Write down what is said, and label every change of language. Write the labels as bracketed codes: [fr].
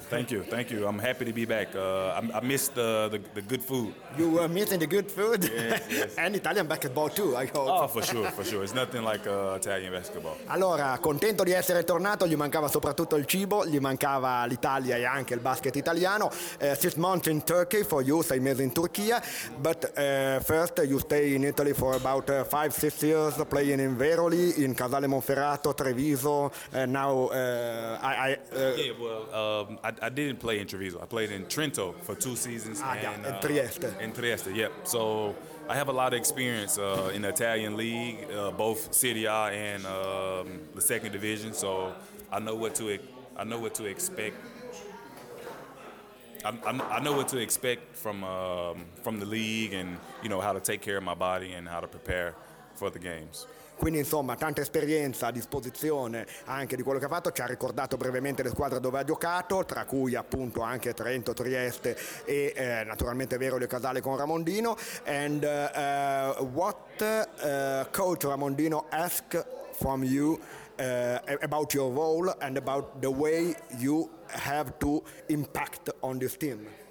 [en] Thank you. I'm happy to be back. I missed the good food. You were missing the good food? Yes. And Italian basketball too, I hope. Oh, for sure. It's nothing like Italian basketball. [it] Allora, contento di essere tornato. Gli mancava soprattutto il cibo, gli mancava l'Italia e anche il basket italiano. [en] 6 months in Turkey for you, [it] 6 mesi in Turchia. [en] But first, you stay in Italy for about 5-6 years, playing in Veroli, in Casale Monferrato, Treviso, now. I didn't play in Treviso. I played in Trento for 2 seasons. In Trieste. In Trieste, yep. So I have a lot of experience in the Italian league, both Serie A and the second division. So I know what to expect from the league, and you know how to take care of my body and how to prepare for the games. [it] Quindi insomma tanta esperienza a disposizione anche di quello che ha fatto. Ci ha ricordato brevemente le squadre dove ha giocato, tra cui appunto anche Trento, Trieste e naturalmente Veroli e Casale con Ramondino. [en] And what coach Ramondino ask from you about your role and about the way you have to impact on this team?